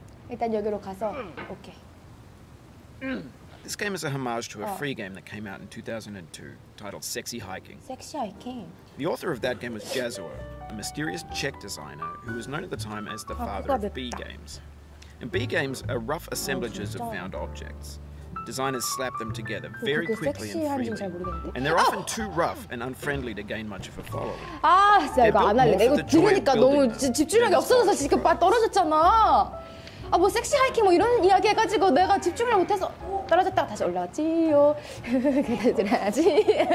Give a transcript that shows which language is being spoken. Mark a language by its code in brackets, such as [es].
[ko] 일단 여기로 가서 오케이. [en] This game is a homage to a free game that came out in 2002 titled Sexy Hiking. Sexy Hiking. The author of that game was Jazua, a mysterious Czech designer who was known at the time as the father of B games. And B games are rough assemblages of found objects. Designers slap them together very quickly and freely. And they're often too rough and unfriendly to gain much of a following. [ko] 아, 진짜 이거 안 할래. 이거 들으니까 너무 집중력이 없어져서 지금 빠 떨어졌잖아. 아, 뭐 섹시 하이킹 뭐 이런 이야기 해가지고 내가 집중을 못해서. 떨어졌다가 다시 올라왔지요. 그래야지.